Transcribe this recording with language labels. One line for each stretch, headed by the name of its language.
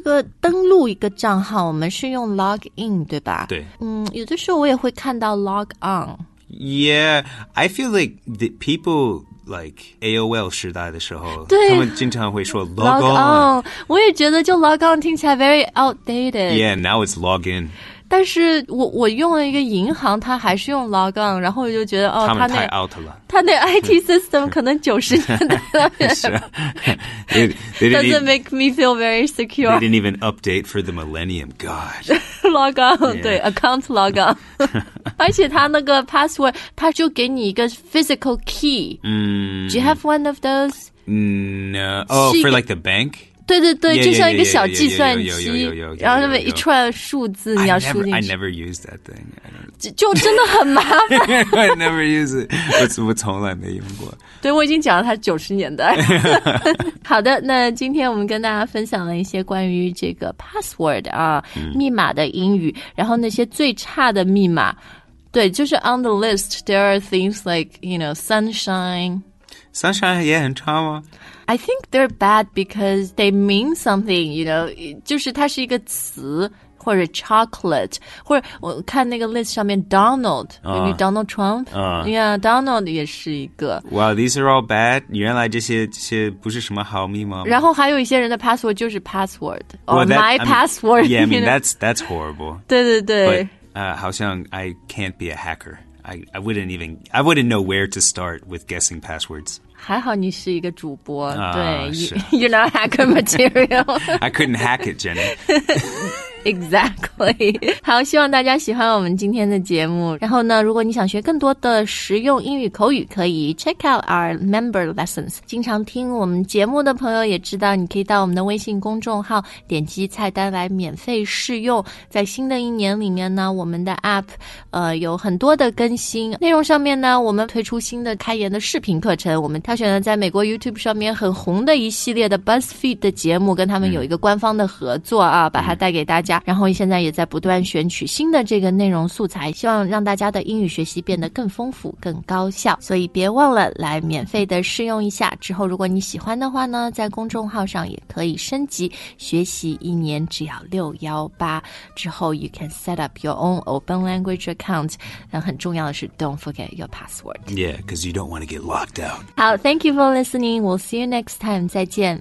Chinese: 个登录一个账号我们是用 log in, 对吧对、有的时候我也会看到 log on.
English: Yeah, I feel like the people like AOL
Chinese: 时代的时候对他们经常会说
English: log on.
Chinese: 我也觉得就 log on 听起来
English: very outdated. Yeah, now it's log in.
Chinese: 但是我用了一个银行它还是用 log on, 然后我就觉得、他们太 out 了。他那 IT system 可能90年代了。是啊。
English: Doesn't make me feel very secure. They didn't even update for the millennium, God. log on,、yeah.
Chinese: 对
English: ,account log on.
Chinese: 而且他那个 password, 他就给你一个 physical key.、
English: Do you have one of those? No. Oh, for like the bank?
Chinese: 对对对
English: yeah,
Chinese: 就像一个小计算机然后那么一串数字你要输进去
English: I never use that thing
Chinese: 就真的很麻烦
English: I never use it
Chinese: 我从来没用过对我已经讲了它90年代好的那今天我们跟大家分享了一些关于这个 password 啊、密码的英语然后那些最差的密码对就是
English: on the list there are things like you know sunshine
Chinese: 也很差吗
English: I think they're bad because they mean something, you know,
Chinese: 就是它是一个词或者
English: chocolate,
Chinese: 或者我看那个
English: list
Chinese: 上面
English: Donald,、maybe Donald Trump,、yeah, Donald
Chinese: 也是一个。 Wow, these are all bad, 原来这些不是什么好密码。然后还有一些人的 password 就是 password,
English: well, or that, my I mean, password. Yeah, I mean, that's horrible.
Chinese: 对对对。好像
English: I can't be a hacker. I wouldn't know where to start with guessing passwords.
Chinese: 还好你是一个主播、对
English: You're not hacker material I couldn't hack it, Jenny Exactly 以。
Chinese: 好，希望大家喜欢我们今天的节目。然后呢，如果你想学更多的实用英语口语，可以
English: check out our member lessons。
Chinese: 经常听我们节目的朋友也知道，你可以到我们的微信公众号，点击菜单来免费试用。在新的一年里面呢，我们的 app 有很多的更新。内容上面呢，我们推出新的开言的视频课程，我们挑选了在美国 YouTube 上面很红的一系列的 BuzzFeed 的节目，跟他们有一个官方的合作啊，把它带给大家。然后现在也在不断选取新的这个内容素材，希望让大家的英语学习变得更丰富更高效。所以别忘了来免费的试用一下，之后如果你喜欢的话呢，在公众号上也可以升级，学习一年只要618，之后
English: you can set up your own open language account。
Chinese: 那很重要的是
English: don't forget your password. Yeah, because you don't want to get locked out.
Chinese: 好，
English: thank you for listening. We'll see you next time.
Chinese: 再见，